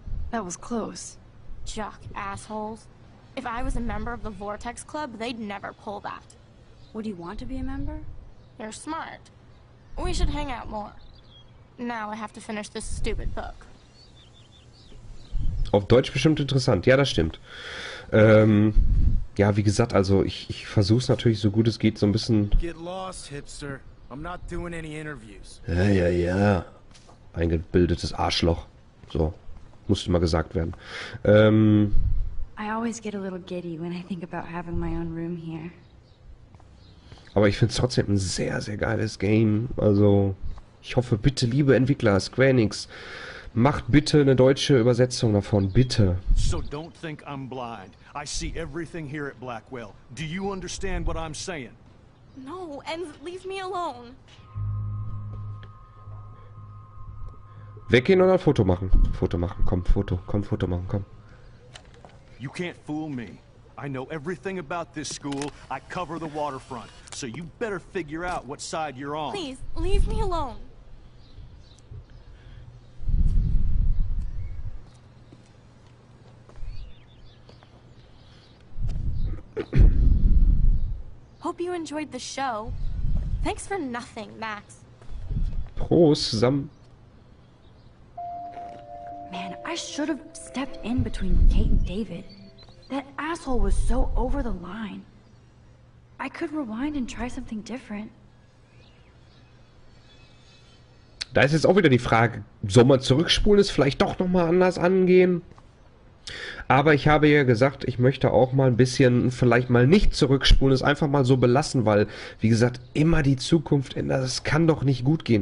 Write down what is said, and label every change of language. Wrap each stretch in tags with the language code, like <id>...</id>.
<en>That was close. Jock assholes. If I was a member of the Vortex Club, they'd never pull that. Would you want to be a member? You're smart. We should hang out more. Now I have to finish this stupid book.</en> <de>Auf Deutsch bestimmt interessant. Ja, das stimmt. Ja, wie gesagt, also ich versuche es natürlich so gut es geht, so ein bisschen.</de> <en>Get lost, hipster. I'm not doing any interviews.</en> <de>Ja, ja, ja. Eingebildetes Arschloch. So. Musste mal gesagt werden.</de> <en>I always get a little giddy when I think about having my own room here.</en> <de>Aber ich finde es trotzdem ein sehr, sehr geiles Game. Also, ich hoffe, bitte, liebe Entwickler, Square Enix, macht bitte eine deutsche Übersetzung davon, bitte.</de> <en>So don't think I'm blind. I see everything here at Blackwell. Do you understand what I'm saying? No, and leave me alone.</en> <de>Weggehen oder Foto machen? Foto machen, komm, Foto machen, komm.</de> <en>You can't fool me. I know everything about this school. I cover the waterfront. So you better figure out what side you're on. Please, leave me alone. Hope you enjoyed the show. Thanks for nothing, Max.</en> <de>Prost zusammen.</de> <en>Man, I should have stepped in between Kate and David. That asshole was so over the line. I could rewind and try something different.</en> <de>Da ist jetzt auch wieder die Frage, soll man zurückspulen, es vielleicht doch nochmal anders angehen? Aber ich habe ja gesagt, ich möchte auch mal ein bisschen vielleicht mal nicht zurückspulen, es einfach mal so belassen, weil, wie gesagt, immer die Zukunft ändern, das kann doch nicht gut gehen.</de>